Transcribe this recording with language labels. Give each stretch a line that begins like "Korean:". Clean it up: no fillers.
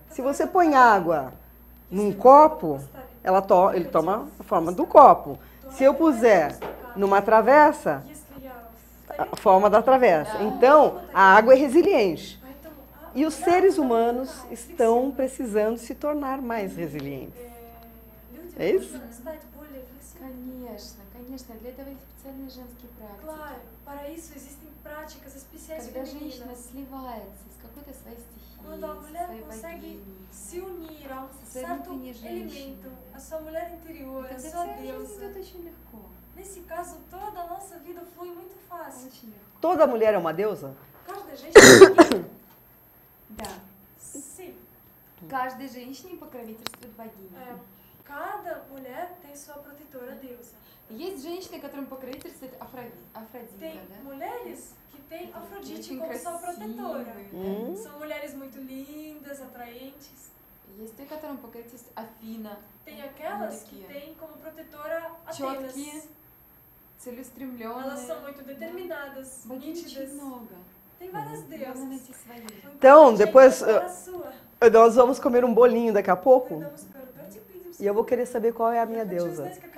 Portuguese: Se você põe água num copo, ele toma a forma do copo. Se eu puser numa travessa, a forma da travessa. Então, a água é resiliente. E os seres humanos estão precisando se tornar mais resilientes. É isso?
Russian: Конечно, для этого есть специальные женские практики.
Portuguese: Claro, para isso existem práticas especiais femininas.
Russian: Когда женщина сливается с какой-то своей стихией,
Portuguese: Quando a mulher consegue se unir a certo elemento, a sua mulher interior, a sua deusa.
Russian: Идет очень легко.
Portuguese: Nesse caso, toda a nossa vida flui muito fácil.
Russian: Очень легко.
Portuguese: Toda mulher é uma deusa?
Russian: Каждая женщина. Да.
Portuguese: Sim.
Russian: Каждой женщине покровительствует богиня.
Portuguese: Cada mulher tem sua protetora deusa.
Russian: Есть женщины, которым покровительствует Афродита,
Portuguese: tem
Russian: да?
Portuguese: Mulheres que têm Афродите como sua protetora. São mulheres muito lindas, atraentes.
Russian: Есть те, которым покровительствует Афина.
Portuguese: Tem aquelas que têm como protetora Атенас.
Russian: Четкие.
Portuguese: Eles são muito determinadas, nítidas. Tem várias deusas. Então, depois nós vamos comer um bolinho daqui a pouco. E eu vou querer saber qual é a minha deusa.